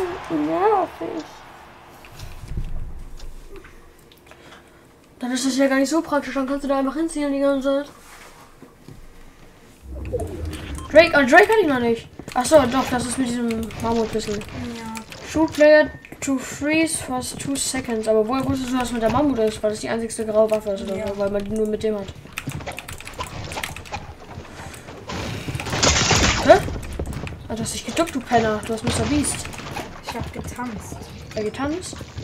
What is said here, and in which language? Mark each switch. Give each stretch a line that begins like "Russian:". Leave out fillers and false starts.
German: Nervig. Dann ist das ja gar nicht so praktisch, dann kannst du da einfach hinziehen die ganze Zeit. Drake hatte ich noch nicht. Achso, doch, das ist mit diesem Mammutbissel. Ja.
English: Shoot player to freeze for 2 seconds.
German: Aber woher wusstest du, was mit der Mammut ist? Weil das die einzigste graue Waffe ist, oder? Ja. Weil man die nur mit dem hat. Hä? Du hast dich geduckt, du Penner. Du hast Mr. Beast. Ich hab getanzt. Ja, getanzt?